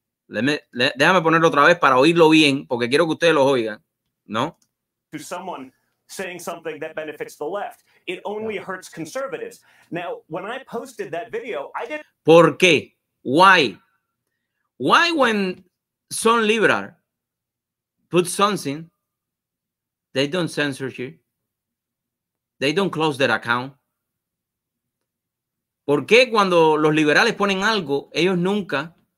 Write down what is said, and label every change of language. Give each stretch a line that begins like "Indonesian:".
Spanish: Déjame ponerlo otra vez para oírlo bien, porque quiero que ustedes lo oigan, ¿no?
English: To someone saying something that benefits the left. It only hurts conservatives. Now, when I posted that video, I didn't...
Spanish: ¿Por qué?
English: Why? Why when some liberal put something, they don't censor you? They don't close their account?
Spanish: ¿Por qué cuando los liberales ponen algo, ellos nunca...